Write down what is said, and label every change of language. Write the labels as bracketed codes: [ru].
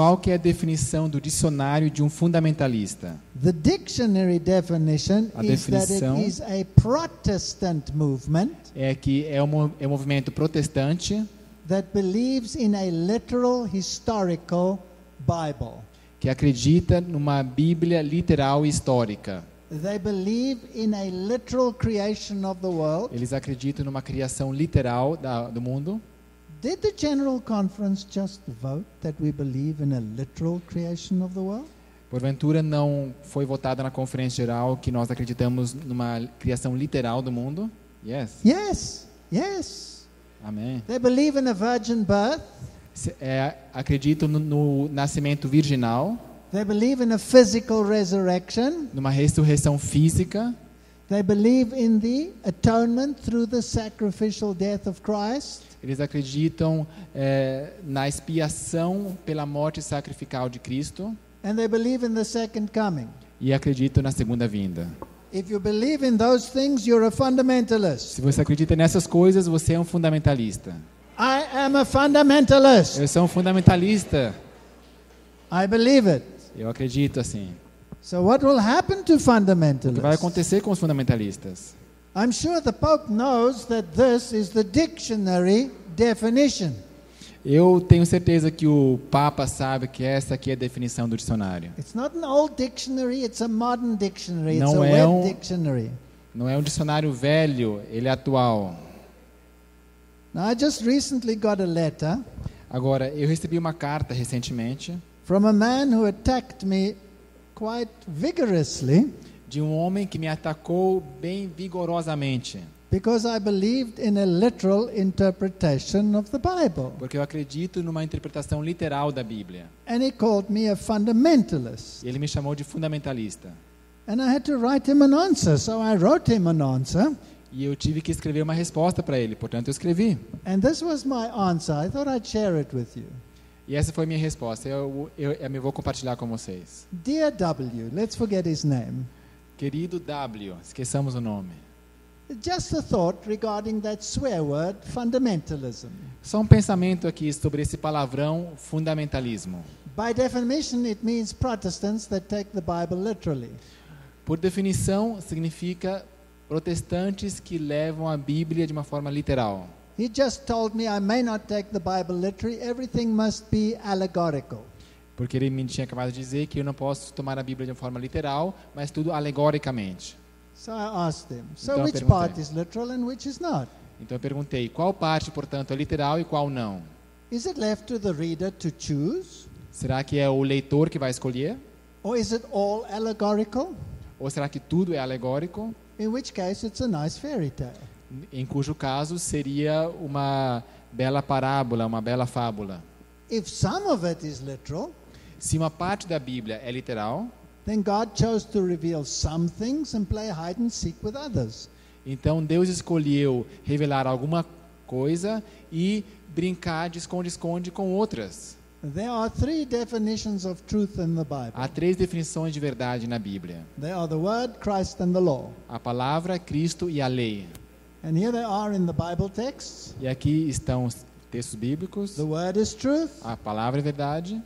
[pt] Qual que é a definição do dicionário de um fundamentalista? [en] The dictionary definition is that it is a Protestant movement. [pt] É que é um movimento protestante. [en] That believes in a literal historical Bible. [pt] Que acredita numa Bíblia literal e histórica. [en] They believe in a literal creation of the world. [pt] Eles acreditam numa criação literal do mundo. [en] Did the General Conference just vote that we believe in a literal creation of the world? [pt] Porventura não foi votada na Conferência Geral que nós acreditamos numa criação literal do mundo? [en] Yes. Yes. Yes. [pt] Amém. [en] They believe in a virgin birth? [pt] Acreditam no nascimento virginal? [en] They believe in a physical resurrection? [pt] Numa ressurreição física? [en] They believe in the atonement through the sacrificial death of Christ? [pt] Eles acreditam na expiação pela morte sacrificial de Cristo. [en] And they believe in the second coming. [pt] E acreditam na segunda vinda. [en] If you believe in those things, you're a fundamentalist. [pt] Se você acredita nessas coisas, você é um fundamentalista. [en] I am a fundamentalist. [pt] Eu sou um fundamentalista. [en] I believe it. [pt] Eu acredito assim. [en] So what will happen to fundamentalists? [pt] O que vai acontecer com os fundamentalistas? [en] I'm sure the Pope knows that this is the dictionary definition. [pt] Eu tenho certeza que o Papa sabe que esta aqui é a definição do dicionário. [en] It's not an old dictionary, it's a modern dictionary. [pt] Não [en] it's a [pt] é um, [en] dictionary. [pt] Não é um dicionário velho, ele é atual. [en] Now, I just recently got a letter. [pt] Agora, eu recebi uma carta recentemente. [en] From a man who attacked me quite vigorously. [pt] De um homem que me atacou bem vigorosamente. [en] Because I believed in a literal interpretation of the Bible. [pt] Porque eu acredito numa interpretação literal da Bíblia. [en] And he called me a fundamentalist. [pt] E ele me chamou de fundamentalista. [en] And I had to write him an answer, so I wrote him an answer. [pt] E eu tive que escrever uma resposta para ele, portanto eu escrevi. [en] And this was my answer. I thought I'd share it with you. [pt] E essa foi minha resposta. Eu me vou compartilhar com vocês. [en] Dear W, let's forget his name. [pt] Querido W, esqueçamos o nome. [en] Just a thought regarding that swear word, fundamentalism. [pt] Só um pensamento aqui sobre esse palavrão fundamentalismo. [en] By definition, it means Protestants that take the Bible literally. [pt] Por definição, significa protestantes que levam a Bíblia de uma forma literal. [en] He just told me I may not take the Bible literally. Everything must be allegorical. [pt] Porque ele me tinha acabado de dizer que eu não posso tomar a Bíblia de uma forma literal, mas tudo alegoricamente. [en] So I asked him, so which part is literal and which is not? [pt] Então eu perguntei, qual parte, portanto, é literal e qual não? [en] Is it left to the reader to choose? [pt] Será que é o leitor que vai escolher? [en] Or is it all allegorical? [pt] Ou será que tudo é alegórico? [en] In which case it's a nice fairy tale. [pt] Em cujo caso seria uma bela parábola, uma bela fábula. [en] If some of it is literal, [pt] se uma parte da Bíblia é literal, [en] then God chose to reveal some things and play hide and seek with others. [pt] Então Deus escolheu revelar alguma coisa e brincar de esconde-esconde com outras. [en] There are three definitions of truth in the Bible. [pt] Há três definições de verdade na Bíblia. [en] They are the Word, Christ and the Law. [pt] A palavra, Cristo e a lei. [en] And here they are in the Bible texts. [pt] E aqui estão textos bíblicos. [en] The word is truth. [pt] A palavra é verdade.